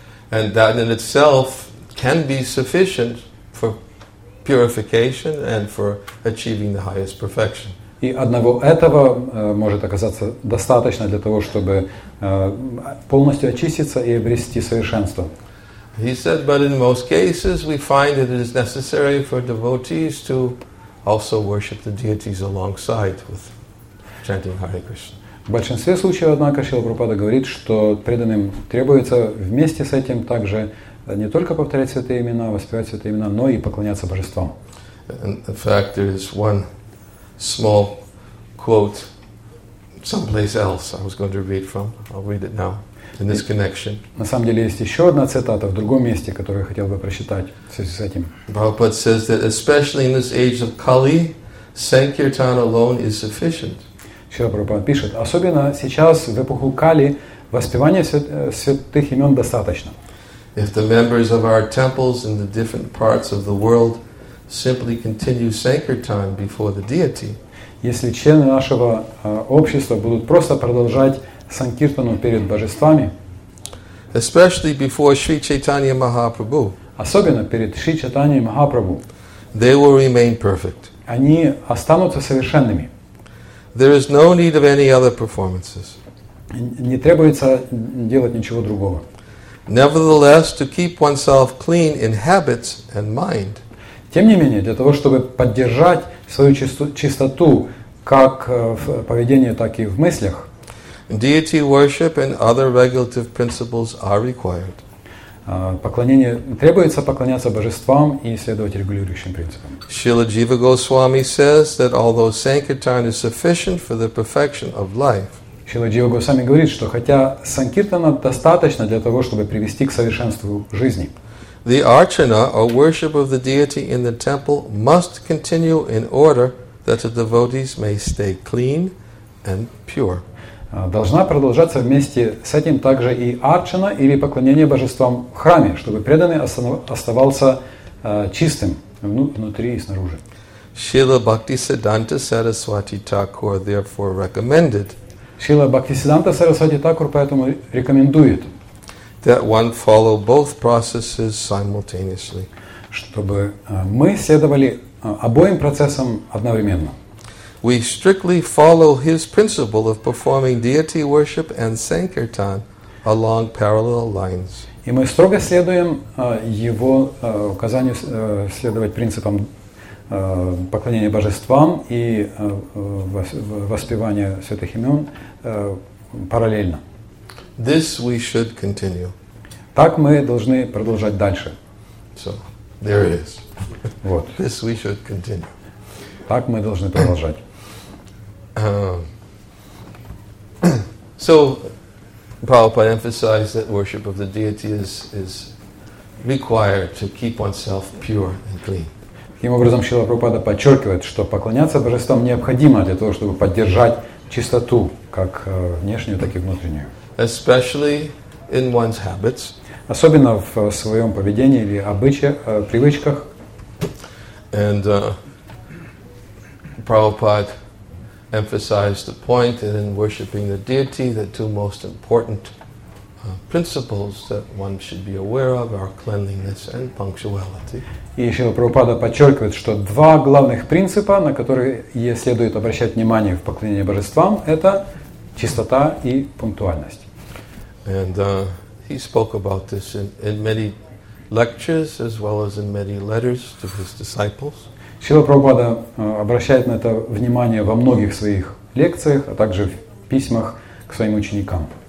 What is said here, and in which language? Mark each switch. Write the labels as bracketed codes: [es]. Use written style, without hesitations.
[en] And that in itself can be sufficient for purification and for achieving the highest perfection. [ru] И одного этого может оказаться достаточно для того, чтобы полностью очиститься и обрести совершенство. [en] He said, but in most cases we find that it is necessary for devotees to also worship the deities alongside with chanting Hare Krishna. [ru] В большинстве случаев, однако, Шрила Прабхупада говорит, что преданным требуется вместе с этим также не только повторять святые имена, воспевать святые имена, но и поклоняться божествам. [en] In fact, there is one small quote someplace else I was going to read from. I'll read it now in this connection. [ru] На самом деле есть еще одна цитата в другом месте, которую я хотел бы прочитать в связи с этим. [en] Prabhupada says that especially in this age of Kali, Sankirtan alone is sufficient. [ru] Шрила Прабхупада пишет, особенно сейчас в эпоху Кали воспевания святых имен достаточно. [en] If the members of our temples in the different parts of the world simply continue sankirtan before the deity. [ru] Если члены нашего общества будут просто продолжать санкиртану перед божествами, [en] especially before Sri Chaitanya Mahaprabhu, [ru] особенно перед Шри Чайтанья Махапрабху, [en] they will remain perfect. [ru] Они останутся совершенными. [en] There is no need of any other performances. [ru] Не требуется делать ничего другого. [en] Nevertheless, to keep oneself clean in habits and mind. [ru] Тем не менее, для того, чтобы поддержать свою чистоту как в поведении, так и в мыслях, [en] deity worship and other regulative principles are required. [ru] Поклонение требуется поклоняться божествам и следовать регулирующим принципам. [en] Srila Jiva Goswami says that although sankirtan is sufficient for the perfection of life, [ru] Srila Jiva Goswami говорит, что хотя санкиртана достаточно для того, чтобы привести к совершенству жизни, [en] the archana or worship of the deity in the temple must continue in order that the devotees may stay clean and pure. [ru] Должна продолжаться вместе с этим также и арчана или поклонение божествам в храме, чтобы преданный оставался чистым внутри и снаружи. [en] Srila Bhaktisiddhanta Saraswati Thakur therefore recommended. [ru] Srila Bhaktisiddhanta Saraswati Thakur поэтому рекомендует, [en] that one follow both processes simultaneously. [ru] Чтобы мы следовали обоим процессам одновременно. [en] We strictly follow his principle of performing deity worship and sankirtan along parallel lines. [ru] И мы строго следуем его указанию следовать принципам поклонения божествам и воспевания святых имен параллельно. [en] This we should continue. [ru] Так мы должны продолжать дальше. [en] So, there it is. [ru] Вот. [en] This we should continue. [ru] Так мы должны продолжать. [en] So, Prabhupada emphasized that worship of the deity is required to keep oneself pure and clean. [ru] Таким образом, Шрила Прабхупада подчеркивает, что поклоняться божествам необходимо для того, чтобы поддержать чистоту, как внешнюю, так и внутреннюю. [en] Especially in one's habits. [ru] Особенно в своем поведении или обычаях, привычках. [en] And Prabhupada emphasized the point that in worshiping the deity, the two most important principles that one should be aware of are cleanliness and punctuality. [ru] И Шрила Прабхупада подчеркивает, что два главных принципа, на которые следует обращать внимание в поклонении божествам, это чистота и пунктуальность. [en] And he spoke about this in many lectures as well as in many letters to his disciples. [ru] Шрила Прабхупада обращает на это внимание во многих своих лекциях, а также в письмах к своим ученикам.